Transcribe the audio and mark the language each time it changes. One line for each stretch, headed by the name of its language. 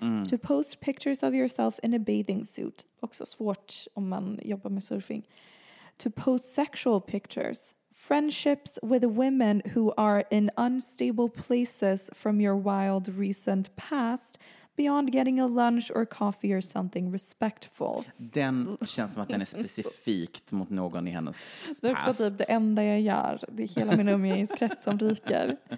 English: To post pictures of yourself in a bathing suit.
Swedish: Också svårt om man jobbar med surfing.
English: To post sexual pictures. Friendships with women who are in unstable places from your wild recent past. Beyond getting a lunch or coffee or something respectful.
Swedish: Den känns som att den är specifikt mot någon i hennes past. Det är också typ det enda jag gör. Det är hela min umgängeskrets som ryker.